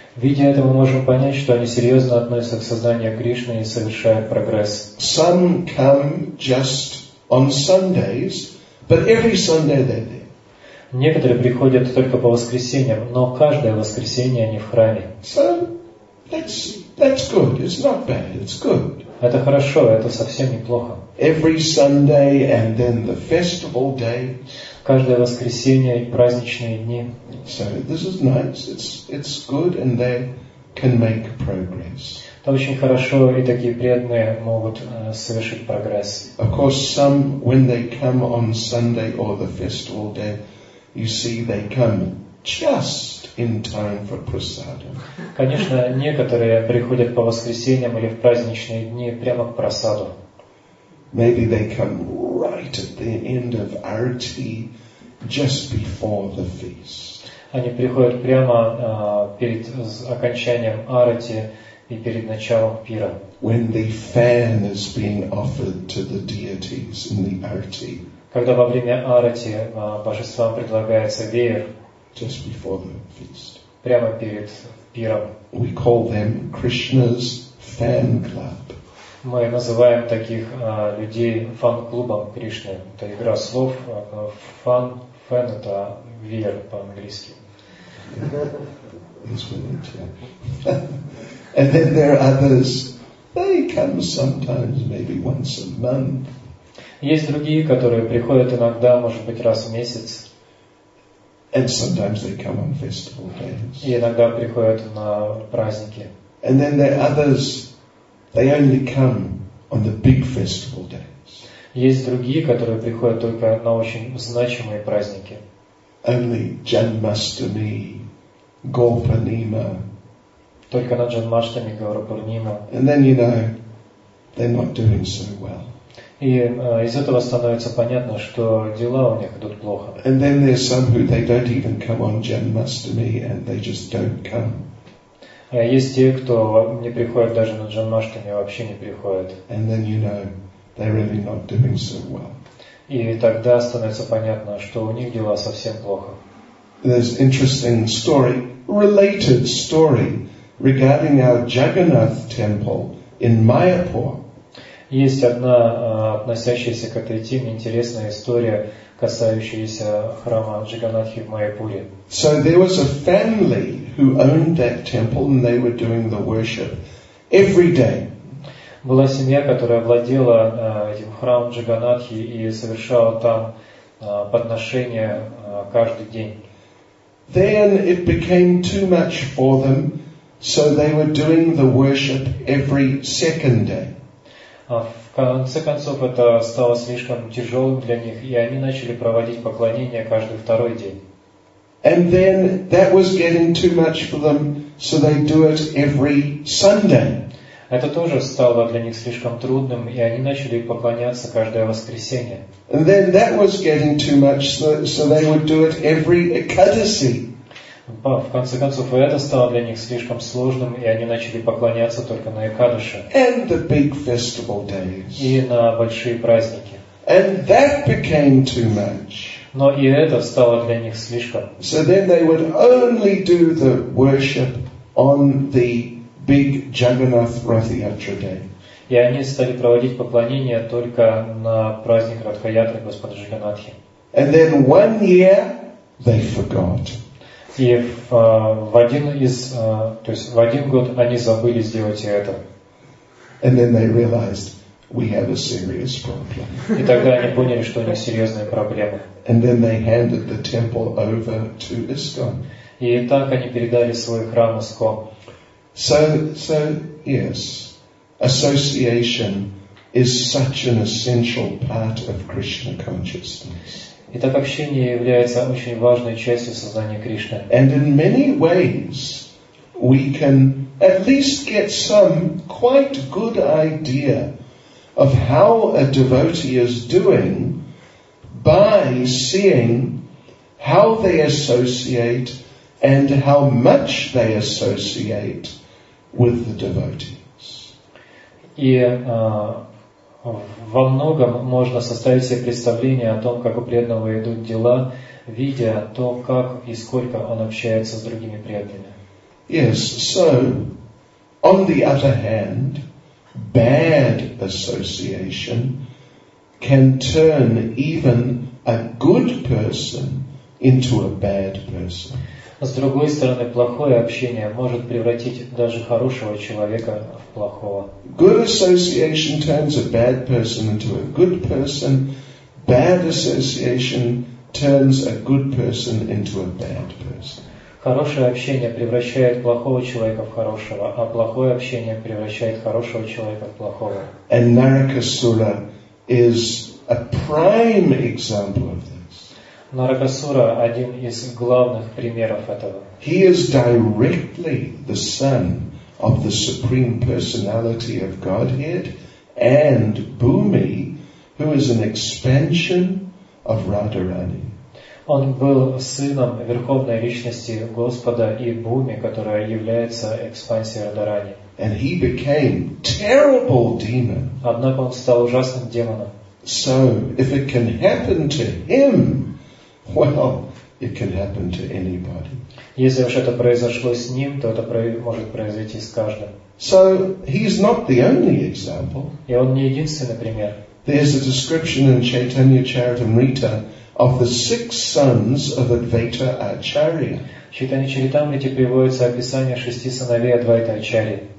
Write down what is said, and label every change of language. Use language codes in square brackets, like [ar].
[ru] Видя это, мы можем понять, что они серьезно относятся к сознанию Кришны и совершают прогресс. [en] Some come just on Sundays, but every Sunday they're there. [ru] Некоторые приходят только по воскресеньям, но каждое воскресенье они в храме. [en] So that's good. It's not bad. It's good. [ru] Это хорошо, это совсем неплохо. [en] Every Sunday and then the festival day. [ru] Каждое воскресенье и праздничные дни. [en] So this is nice. It's good, and they can make progress. [ru] Это очень хорошо, и такие преданные могут совершить прогресс. [en] Of course, some when they come on Sunday or the festival day. You see, they come just in time for prasadam. [ru] Конечно, некоторые приходят по воскресеньям или в праздничные дни прямо к прасаду. [en] Maybe they come right at the end of arati, just before the feast. [ru] Они приходят прямо перед окончанием арати и перед началом пира. [en] When the fan is being offered to the deities in the arati. [ru] Когда во время арати божествам предлагается веер, [en] just before the feast, [ru] прямо перед пиром, [en] we call them Krishna's fan club. [ru] Мы называем таких людей фан-клубом Кришны. Это игра слов. Фан это веер по-английски. [en] And then there are others. They come sometimes, maybe once a month. [ru] Есть другие, которые приходят иногда, может быть, раз в месяц. [en] And sometimes they come on festival days. [ru] И иногда приходят на праздники. [en] And then there are others, they only come on the big festival days. [ru] Есть другие, которые приходят только на очень значимые праздники. [en] Only Janmashtami, Gaurapurnima. [ru] Только на Janmashtami, Gaurapurnima. [en] And then you know, they're not doing so well. [ru] И из этого становится понятно, что дела у них идут плохо. [en] And then there's some who they don't even come on Janmashtami and they just don't come. [ru] Есть те, кто не приходит даже на Janmashtami, вообще не приходит. [en] And then you know they're really not doing so well. [ru] И тогда становится понятно, что у них дела совсем плохо. [en] There's interesting story, related story regarding our Jagannath temple in Mayapur. [ru] Есть одна относящаяся к этой теме интересная история, касающаяся храма Джаганнатхи в Майяпуре. [en] So there was a family who owned that temple and they were doing the worship every day. [ru] Была семья, которая владела этим храмом Джаганнатхи и совершала там подношения каждый день. [en] Then it became too much for them, so they were doing the worship every second day. [ru] В конце концов, это стало слишком тяжелым для них, и они начали проводить поклонения каждый второй день. [en] And then that was getting too much for them, so they do it every Sunday. [ru] Это тоже стало для них слишком трудным, и они начали поклоняться каждое воскресенье. [en] And then that was getting too much, so they would do it every Ekadasi. [ru] В конце концов, и это стало для них слишком сложным, и они начали поклоняться только на Экадаше. [en] And the big festival days. [ru] И на большие праздники. [en] And that became too much. [ru] Но и это стало для них слишком. [en] So then they would only do the worship on the big Jagannath Ratha Yatra day. [ru] И они стали проводить поклонения только на праздник Ратха Ятры Господа Джаганнатхи. [en] And then one year they forgot. [ru] И в один год они забыли сделать это. [en] And then they realized we have a serious problem. [ru] И тогда они поняли, что у них серьезная проблема. [en] And then they handed the temple over to ISKCON. [ru] И так они передали свой храм ISKCON. [en] So yes, association is such an essential part of Krishna consciousness. [ru] И так общение является очень важной частью сознания Кришны. [en] And in many ways we can at least get some quite good idea of how a devotee is doing by seeing how they associate and how much they associate with the devotees. [ru] И во многом можно составить себе представление о том, как у преданного идут дела, видя то, как и сколько он общается с другими преданными. [en] Yes, so on the other hand, bad association can turn even a good person into a bad person. [ru] С другой стороны, плохое общение может превратить даже хорошего человека в плохого. [en] Good association turns a bad person into a good person. Bad association turns a good person into a bad person. [ru] Хорошее общение превращает плохого человека в хорошего, а плохое общение превращает хорошего человека в плохого. [en] And Narakasura is a prime example of this. [ru] Наракасура – один из главных примеров этого. [en] He is directly the son of the Supreme Personality of Godhead and Bhumi, who is an expansion of Radharani. [ru] Он был сыном Верховной Личности Господа и Бхуми, которая является экспансией Радхарани. [en] And he became terrible demon. [ru] Однако он стал ужасным демоном. [en] So, if it can happen to him, well, it can happen to anybody. [ru] Если уж это произошло с ним, то это может произойти с каждым. [en] So, he's not the only example. [ru] И он не единственный пример. [en] There's a description in Chaitanya Charitamrita of the six sons of Advaita Acharya. [ru] В Чайтанья Чаритамрите приводится описание шести сыновей Адвайта Ачарьи.